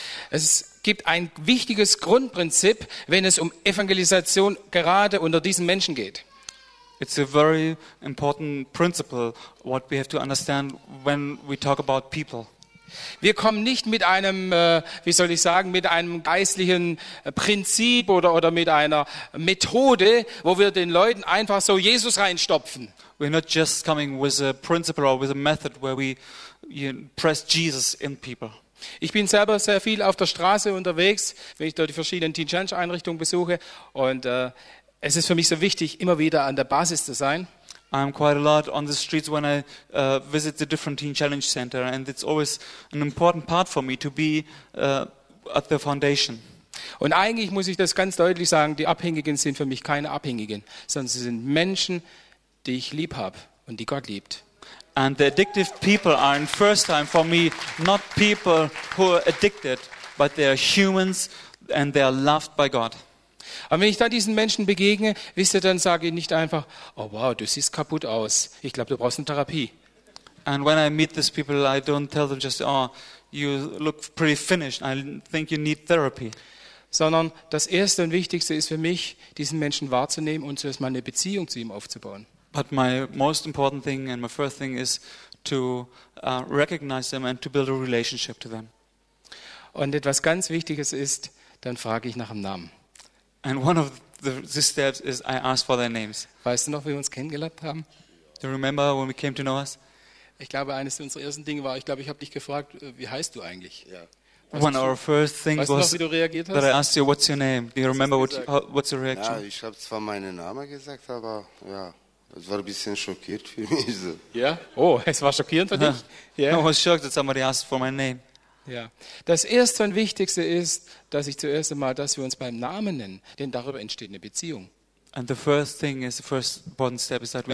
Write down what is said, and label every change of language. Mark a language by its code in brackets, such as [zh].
[de] Es gibt ein wichtiges Grundprinzip, wenn es um Evangelisation gerade unter diesen Menschen geht. [en] It's a very important principle what we have to understand when we talk about people. [de] Wir kommen nicht mit einem, wie soll ich sagen, mit einem geistlichen Prinzip oder mit einer Methode, wo wir den Leuten einfach so Jesus reinstopfen. [en] We're not just coming with a principle or with a method where we press Jesus in people. [de] Ich bin selber sehr viel auf der Straße unterwegs, wenn ich dort die verschiedenen Teen Challenge Einrichtungen besuche, und es ist für mich so wichtig, immer wieder an der Basis zu sein. [en] I'm quite a lot on the streets when I visit the different Teen Challenge Center, and it's always an important part for me to be at the foundation. [de] Und eigentlich muss ich das ganz deutlich sagen, die Abhängigen sind für mich keine Abhängigen, sondern sie sind Menschen, die ich lieb habe und die Gott liebt. [en] And the addictive people are in first time for me not people who are addicted, but they are humans and they are loved by God. [de] Und wenn ich da diesen Menschen begegne, wisst ihr, dann sage ich nicht einfach, oh wow, du siehst kaputt aus. Ich glaube, du brauchst eine Therapie. [en] And when I meet these people, I don't tell them just, oh, you look pretty finished. I think you need therapy. [de] Sondern das Erste und Wichtigste ist für mich, diesen Menschen wahrzunehmen und zuerst mal eine Beziehung zu ihm aufzubauen. [en] But my most important thing and my first thing is to recognize them and to build a relationship to them. [de] Und etwas ganz Wichtiges ist, dann frage ich nach dem Namen. [en] And one of the steps is I ask for their names. [de] Weißt du noch, wie wir uns kennengelernt haben? [en] Do you remember when we came to know us? [de] Ich glaube, eines unserer ersten Dinge war, ich glaube, ich habe dich gefragt, wie heißt du eigentlich? [en] Yeah. One of our first things [de] weißt [en] was [de] du noch, wie du reagiert hast? [en] That I asked you, what's your name? Do you remember what's your reaction? [de] Ja, ich habe zwar meinen Namen gesagt, aber ja, es war ein bisschen schockiert für mich. Ja? Yeah? Oh, es war schockierend für dich? [en] Yeah. I was shocked that somebody asked for my name. [de] Ja, das Erste und Wichtigste ist, dass ich zuerst einmal, dass wir uns beim Namen nennen, denn darüber entsteht eine Beziehung. [en] And the first thing is the first important step is that we